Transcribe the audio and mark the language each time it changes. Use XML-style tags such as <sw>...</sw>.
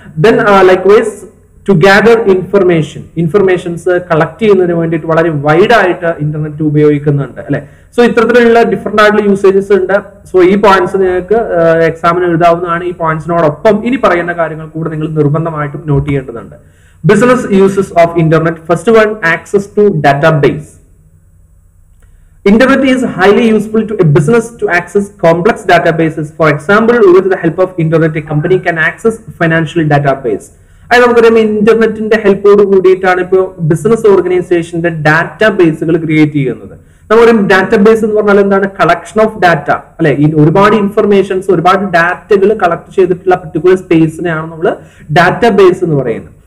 <en>then likewise to gather information,</en> <ml>informations collect ചെയ്യുന്നതിന് വേണ്ടിയിട്ട് വളരെ വൈഡായിട്ട് ഇന്റർനെറ്റ് ഉപയോഗിക്കുന്നുണ്ട് അല്ലെ. സോ ഇത്തരത്തിലുള്ള ഡിഫറെന്റ് ആയിട്ടുള്ള യൂസേജസ് ഉണ്ട്. സോ ഈ പോയിന്റ്സ് നിങ്ങൾക്ക് എക്സാമിന് എഴുതാവുന്നതാണ്. ഈ പോയിന്റ്സിനോടൊപ്പം ഇനി പറയുന്ന കാര്യങ്ങൾ കൂടെ നിങ്ങൾ നിർബന്ധമായിട്ടും നോട്ട് ചെയ്യേണ്ടതുണ്ട്.</ml> <en>Business uses of internet, first one, access to database. Internet is highly useful to a business to access complex databases. For example, with the help of internet, a company can access financial database.</en> <ml>അത് നമുക്കറിയാം ഇന്റർനെറ്റിന്റെ ഹെൽപ്പോട് കൂടിയിട്ടാണ് ഇപ്പോൾ business ഓർഗനൈസേഷന്റെ ഡാറ്റാബേസുകൾ create ചെയ്യുന്നത്. നമ്മൾ പറയും ഡാറ്റാബേസ് എന്ന് പറഞ്ഞാൽ എന്താണ്, കളക്ഷൻ ഓഫ് ഡാറ്റ അല്ലെ. ഒരുപാട് ഇൻഫർമേഷൻസ്, ഒരുപാട് ഡാറ്റകൾ കളക്ട് ചെയ്തിട്ടുള്ള പർട്ടിക്കുലർ സ്പേസിനെയാണ് നമ്മൾ ഡാറ്റാബേസ് എന്ന് പറയുന്നത്.</ml>